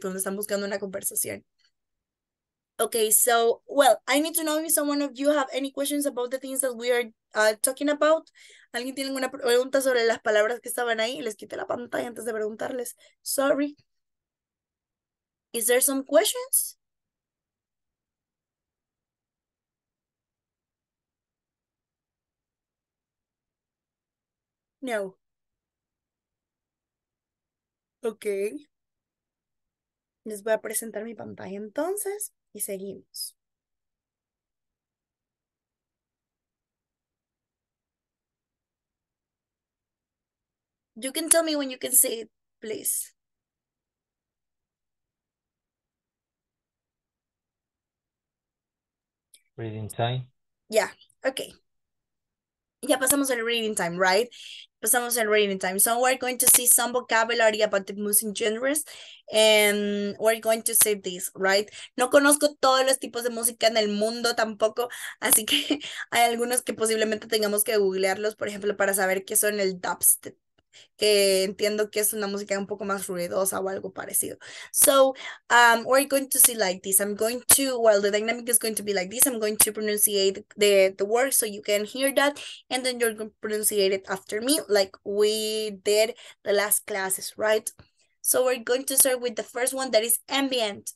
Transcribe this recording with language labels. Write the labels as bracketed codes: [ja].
[es] Cuando están buscando una conversación. [en] Okay, so well, I need to know if someone of you have any questions about the things that we are talking about. ¿Alguien tiene alguna pregunta sobre las palabras que estaban ahí? [es] Les quité la pantalla antes de preguntarles. [en] Sorry. Is there some questions? [es] No. [en] Okay. [es] Les voy a presentar mi pantalla entonces y seguimos. [en] You can tell me when you can see it, please. Reading time. Yeah, okay. [es] Ya pasamos el reading time, right? Pasamos el reading time. [en] So we're going to see some vocabulary about the music genres. And we're going to say this, right? [es] No conozco todos los tipos de música en el mundo tampoco. Así que hay algunos que posiblemente tengamos que googlearlos, por ejemplo, para saber qué son el dubstep, que entiendo que es una música un poco más ruidosa o algo parecido. [en] So, we're going to see like this. I'm going to, well, the dynamic is going to be like this. I'm going to pronunciate the word so you can hear that. And then you're going to pronunciate it after me, like we did the last classes, right? So we're going to start with the first one, that is ambient.